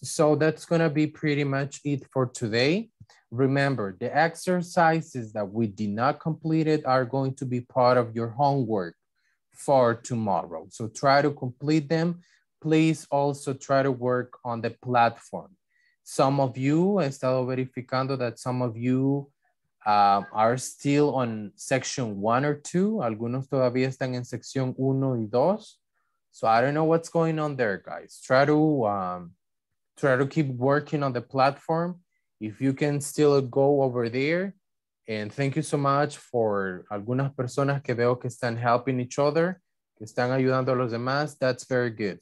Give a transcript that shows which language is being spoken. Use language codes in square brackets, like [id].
[en] So that's going to be pretty much it for today. Remember, the exercises that we did not complete it are going to be part of your homework for tomorrow. So try to complete them. Please also try to work on the platform. Some of you, [es] he estado verificando [en] that some of you are still on section one or two. [es] Algunos todavía están en sección uno y dos. [en] So I don't know what's going on there, guys. Try to keep working on the platform. If you can still go over there. And thank you so much for [es] algunas personas que veo que están [en] helping each other, [es] que están ayudando a los demás. [en] That's very good.